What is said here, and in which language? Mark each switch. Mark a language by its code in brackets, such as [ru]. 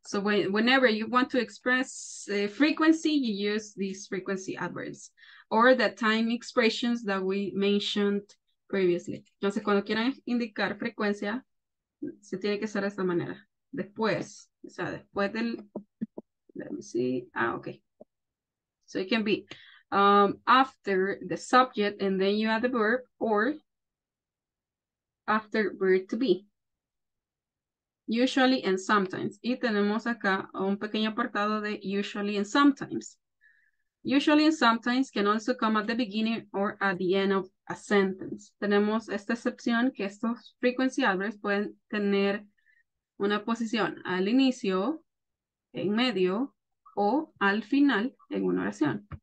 [en] So whenever you want to express frequency, you use these frequency adverbs or the time expressions that we mentioned previously. [es] Entonces, cuando quieran indicar frecuencia, se tiene que hacer de esta manera. Después, o sea, después del, [en] let me see. Ah, okay. So it can be after the subject and then you add the verb or after verb to be. Usually and sometimes. [es] Y tenemos acá un pequeño apartado de usually and sometimes. [en] Usually and sometimes can also come at the beginning or at the end of a sentence. [es] Tenemos esta excepción que estos frequency adverbs pueden tener una posición al inicio, en medio, o al final en una oración.